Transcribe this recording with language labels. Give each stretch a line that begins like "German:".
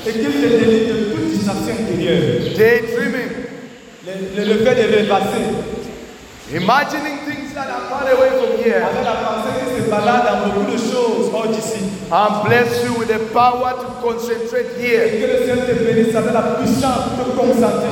French: Et qu'il te délivre de toute distraction intérieure.
English: Daydreaming.
French: Le fait de rêver.
English: Imagining things that are far away from here.
French: Avec la pensée qui se balade dans beaucoup de choses hors d'ici.
English: I'm blessed you with the power to concentrate here.
French: Et que le Seigneur te bénisse avec la puissance de te concentrer.